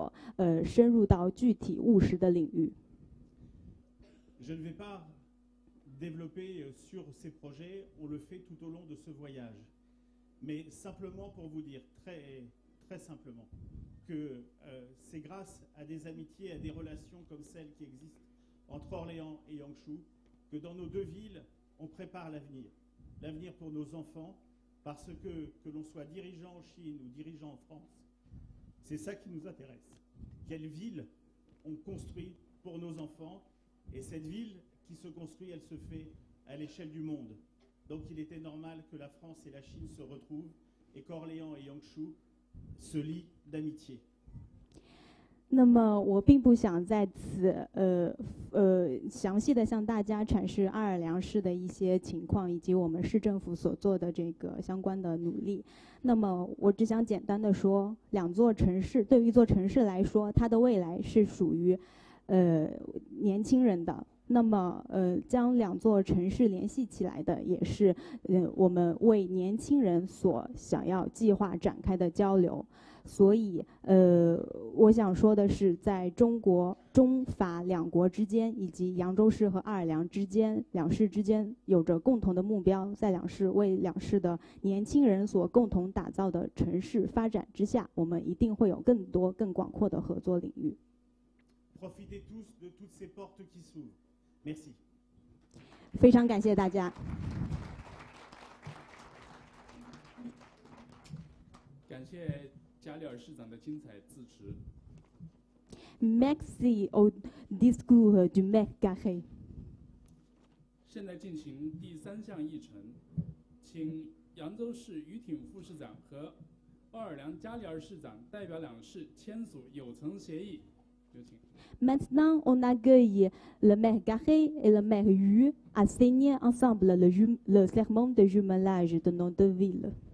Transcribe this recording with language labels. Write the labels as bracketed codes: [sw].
[zh] 所以扬州市和奥尔良市近三年的交往也是基于两座城市共同的发展目标上而延伸开来的。那么在此，我也想向扬州市的市政府以及奥尔良市市政府的工作人员以及团队表示感谢，感谢他们将两市的合作成果深入到具体务实的领域。 [fr] Je ne vais pas développer sur ces projets, on le fait tout au long de ce voyage. Mais simplement pour vous dire très simplement que c'est grâce à des amitiés, à des relations comme celles qui existent entre Orléans et Yangshu, que dans nos deux villes, on prépare l'avenir. L'avenir pour nos enfants, parce que l'on soit dirigeant en Chine ou dirigeant en France, C'est ça qui nous intéresse. Quelle ville on construit pour nos enfants? Et cette ville qui se construit, elle se fait à l'échelle du monde. Donc il était normal que la France et la Chine se retrouvent et qu'Orléans et Yangshu se lient d'amitié. [zh] 那么我并不想在此详细的向大家阐释奥尔良市的一些情况以及我们市政府所做的这个相关的努力。那么我只想简单的说，两座城市对于一座城市来说，它的未来是属于年轻人的。那么将两座城市联系起来的也是我们为年轻人所想要计划展开的交流。所以我想说的是，在中国中法两国之间以及扬州市和奥尔良之间，两市之间有着共同的目标，在两市为两市的年轻人所共同打造的城市发展之下，我们一定会有更多更广阔的合作领域。 [fr] Profitez tous de toutes ces portes qui s'ouvrent. Merci. [zh] 非常感谢大家。感谢加里尔市长的精彩致辞。 [fr] Merci au discours du maire Garré. [zh] 现在进行第三项议程，请扬州市于挺副市长和奥尔良加里尔市长代表两市签署有成协议。有请。 [fr] Maintenant, on accueille le maire Garré et le maire Yu à signer ensemble le serment de jumelage de nos deux villes.